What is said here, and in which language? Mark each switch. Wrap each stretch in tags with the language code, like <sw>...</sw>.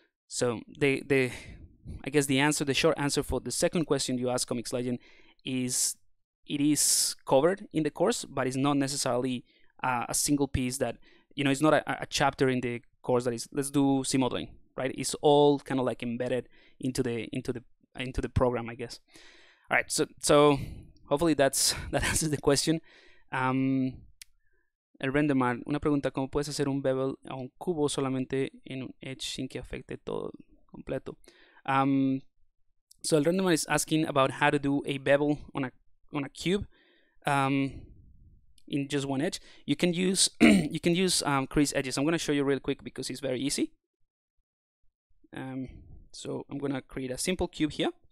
<en>So the short answer for the second question you asked, Comics Legend, is it is covered in the course, but it's not necessarily a single piece that, you know, it's not a chapter in the course that is, let's do ZModeling, right? It's all kind of like embedded into the program, I guess. All right, so hopefully that answers the question.</en> <es>El Rendemar, una pregunta, ¿cómo puedes hacer un bevel a un cubo solamente en un edge sin que afecte todo completo?</es> <en>So El Rendemar is asking about how to do a bevel on a cube in just one edge. You can use crease edges. I'm going to show you real quick because it's very easy. So I'm going to create a simple cube here.</en>